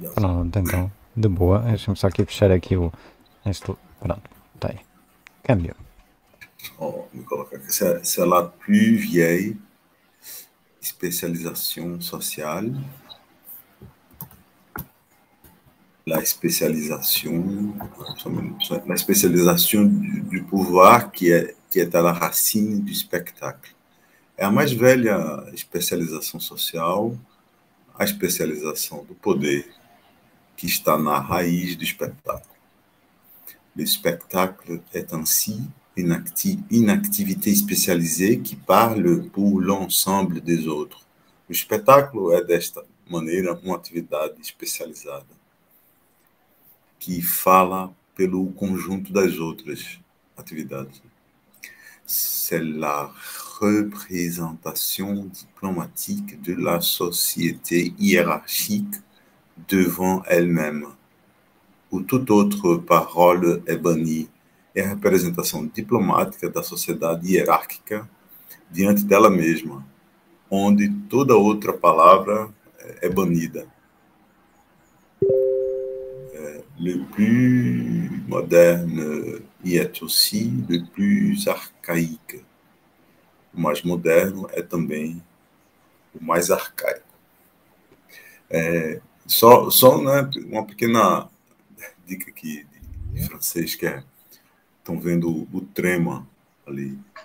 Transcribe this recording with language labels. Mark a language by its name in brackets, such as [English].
[Portuguese] Pronto, então, de boa, deixa-me só aqui fechar aqui o... Pronto, tá aí. Câmbio. Vou colocar aqui. [French] C'est la plus vieille spécialisation sociale. La spécialisation du pouvoir qui est à la racine du spectacle. [Portuguese] É a mais velha especialização social, a especialização do poder, que está na raiz do espetáculo. [French] Le spectacle est ainsi une activité spécialisée qui parle pour l'ensemble des autres. [Portuguese] O espetáculo é, desta maneira, uma atividade especializada que fala pelo conjunto das outras atividades. [French] C'est la représentation diplomatique de la société hiérarchique devant elle-même. Ou toute autre parole est bannie. [Portuguese] É a representação diplomática da sociedade hierárquica diante dela mesma, onde toda outra palavra é banida. [French] Le plus moderne y est aussi le plus archaïque. [Portuguese] O mais moderno é também o mais arcaico. Só né, uma pequena dica aqui de francês, que é, estão vendo o trema ali.